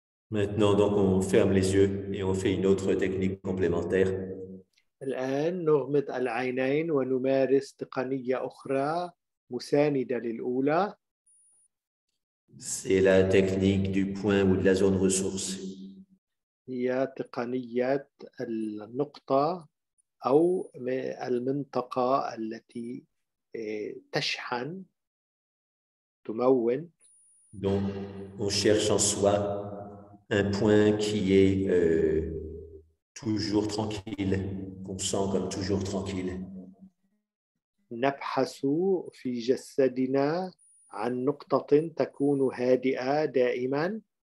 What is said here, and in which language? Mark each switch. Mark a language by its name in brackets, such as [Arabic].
[French] Maintenant, donc, on ferme les yeux et on fait une autre technique complémentaire. [Arabic] الآن نغمض العينين ونمارس تقنية أخرى. مساندة للأولى. [French] C'est la technique du point ou de la zone ressource. [Arabic] هي تقنية النقطة أو المنطقة التي تشحن تمون. [French] Donc, on cherche en soi un point qui est toujours tranquille, qu'on sent comme toujours tranquille. [Arabic] نبحث في جسدنا عن نقطة تكون هادئة دائما.